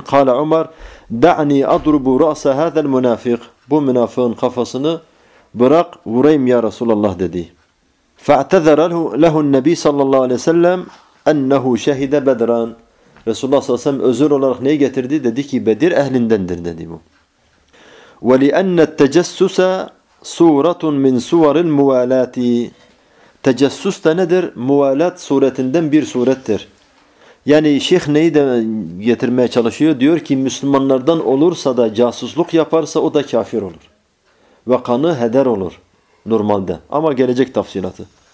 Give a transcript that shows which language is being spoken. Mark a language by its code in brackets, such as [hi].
[ar] Kâle Umar da'ni adrubu râse hâzel münafık. [tr] Bu münafığın kafasını bırak vurayım ya Resulullah dedi. [ar] فاعتذر له النبي صلى الله عليه وسلم انه شهد بدرا. [tr] Resulullah sallallahu aleyhi ve sellem özür olarak neyi getirdi? Dedi ki Bedir ehlindendir dedi bu. [ar] ولان التجسس صوره من صور الموالاه. [tr] Tecessüs de nedir? Muvalat suretinden bir surettir. Yani şeyh neyi de getirmeye çalışıyor? Diyor ki Müslümanlardan olursa da casusluk yaparsa o da kafir olur. Ve kanı heder olur. Normalde. Ama gelecek tafsilatı.